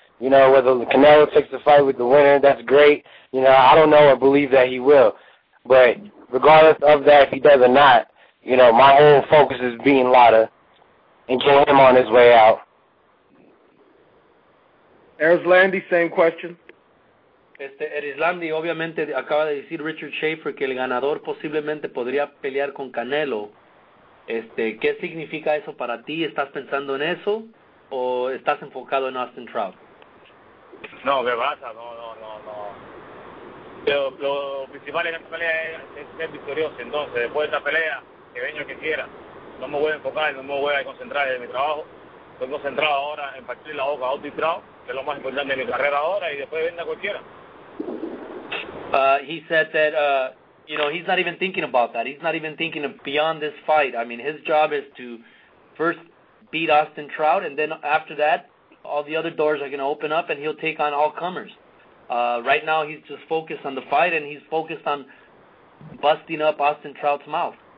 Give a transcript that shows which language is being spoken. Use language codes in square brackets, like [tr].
[en] You know, whether Canelo takes the fight with the winner, that's great. You know, I don't know or believe that he will. But regardless of that, if he does or not, you know, my whole focus is beating Lada and getting him on his way out. Erzlandi, same question. [es] Erzlandi, obviamente, acaba de decir Richard Schaefer que el ganador posiblemente podría pelear con Canelo. ¿Qué significa eso para ti? ¿Estás pensando en eso o estás enfocado en Austin Trout? No, ¿qué pasa? No. Lo principal en esta pelea es ser victorioso. Entonces, después de esta pelea, que venga el que quiera, no me voy a enfocar, no me voy a concentrar en mi trabajo. Estoy concentrado ahora en partir la boca a Austin Trout, que es lo más importante de mi carrera ahora, y después venga cualquiera. [en] He said that... You know, he's not even thinking about that. He's not even thinking beyond this fight. I mean, his job is to first beat Austin Trout, and then after that, all the other doors are going to open up, and he'll take on all comers. Right now, he's just focused on the fight, and he's focused on busting up Austin Trout's mouth.